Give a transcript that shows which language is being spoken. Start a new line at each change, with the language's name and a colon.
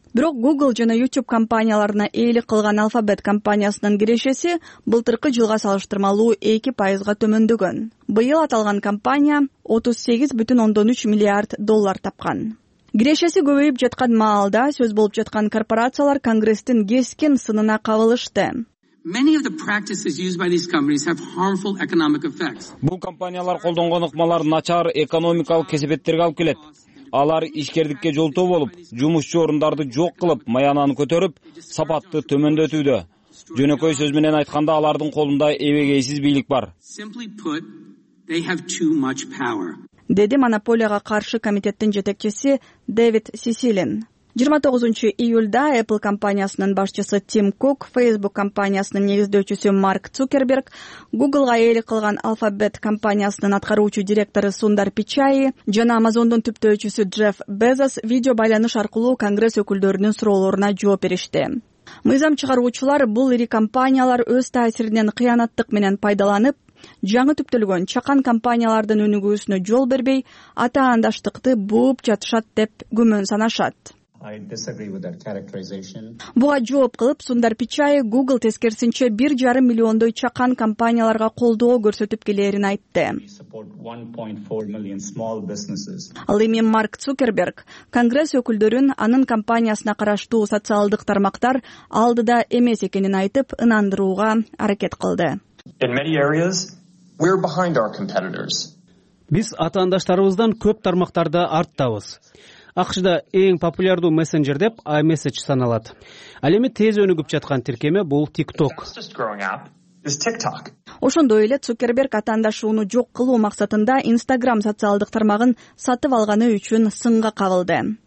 Kyrgyz: Бирок Google жана YouTube компанияларына ээлик кылган Alphabet компаниясынын кирешеси былтыркы жылга салыштырмалуу 2% төмөндөгөн. Быйыл аталган компания 38,3 миллиард доллар тапкан. Кирешеси көбөйүп жаткан маалда сөз болуп жаткан корпорациялар Конгресстин кескин сынына кабылышты.
English: Many of the practices used by these companies have harmful economic effects.
Kyrgyz: Бул компаниялар колдонгон ыкмалар начар экономикалык кесепеттерге алып келет. Алар ишкердикке жолтоо болуп, жумушчу орундарды жок кылып, маянаны көтөрүп, сапатты төмөндөтүүдө. Жөнөкөй сөз менен айтканда, алардын колунда эбегейсиз бийлик бар.
English: Simply put, they have too much power.
Kyrgyz: Деди монополияга каршы комитеттин жетекчиси Дэвид Сисилин. 29 июлда Apple компаниясынын башчысы Тим Кук, Facebook компаниясынын негиздөөчүсү Марк Цукерберг, Google'га ээлик кылган Alphabet компаниясынын аткаруучу директору Сундар Пичай жана Amazon'дун түптөөчүсү Джефф Безос видео байланыш аркылуу Конгресс өкүлдөрүнүн суроолоруна жооп беришти. Мыйзам чыгаруучулар бул ири компаниялар өз таасиринен кыянаттык менен пайдаланып, жаңы түптөлгөн чакан компаниялардын өнүгүүсүнө жол бербей, атаандаштыкты бууп жатышат деп күмөн санашат.
English: I disagree with that characterization.
Kyrgyz: Буга жооп кылып, Сундар Пичай Google тескерсинче 1,5 миллиондой чакан компанияларга колдоо көрсөтүп келерин айтты. Ал эми Марк Цукерберг Конгресс өкүлдөрүн анын компаниясына караштуу социалдык тармактар алдыда эмес экенин айтып, ынандырууга аракет кылды.
English: In many areas, we're behind our competitors.
Kyrgyz: Биз атаандаштарыбыздан көп тармактарда арттабыз. АКШда эң популярдуу мессенджер деп iMessage саналат. Ал эми тез өнүгүп жаткан тиркеме бул TikTok. Ошондой эле Цукерберг атаандашууну жок кылуу максатында Instagram социалдык тармагын сатып алганы үчүн сынга кабылды.